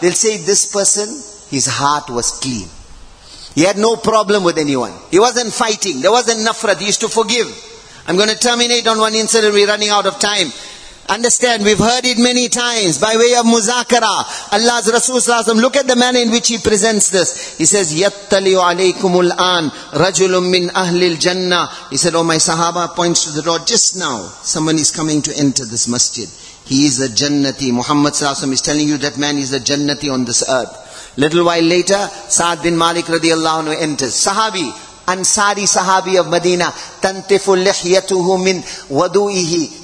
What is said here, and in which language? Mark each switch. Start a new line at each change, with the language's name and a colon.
English: They'll say, this person, his heart was clean. He had no problem with anyone. He wasn't fighting. There wasn't nafrat. He used to forgive. I'm going to terminate on one incident. We're running out of time. Understand, we've heard it many times by way of muzakara. Allah's Rasul sallallahu alayhi, look at the manner in which he presents this. He says,
Arabic: يَتَّلِيُ عَلَيْكُمُ الْآنِ رَجُلٌ مِّنْ أَهْلِ الْجَنَّةِ.
English: He said, oh my sahaba, points to the door. Just now, someone is coming to enter this masjid. He is a jannati. Muhammad sallallahu alayhi is telling you that man is a jannati on this earth. Little while later, Sa'd bin Malik radiallahu anhu enters. Sahabi, Ansari Sahabi of Medina,
Arabic: tantifu lihyatuhu min wudu'ihi.